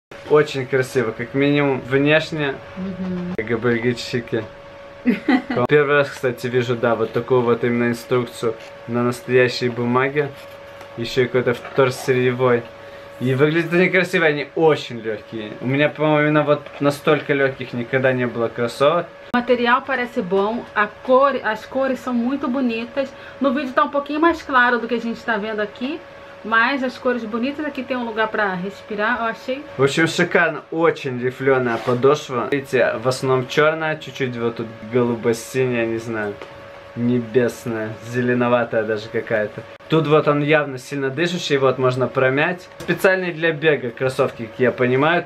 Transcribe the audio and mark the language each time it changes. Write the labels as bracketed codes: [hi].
[ru] Очень красиво, как минимум внешне. Габельгичики. Первый раз, кстати, вижу, да, вот такую вот именно инструкцию на настоящей бумаге. Еще и какой-то вторсырьевой. И выглядят они красиво, они очень легкие. У меня, по-моему, именно вот настолько легких никогда не было кроссовок. [pt] Материал parece bom, a cor, as cores são muito bonitas. No vídeo tá um pouquinho mais claro do que a gente tá vendo aqui, mas as cores bonitas, aqui tem um lugar para respirar, eu achei. [ru] В общем, шикарно, очень рифленая подошва. Видите, в основном черная, чуть-чуть вот тут голубо-синяя, не знаю, небесная, зеленоватая даже какая-то. Тут вот он явно сильно дышащий, вот можно промять. Специальные для бега кроссовки, как я понимаю.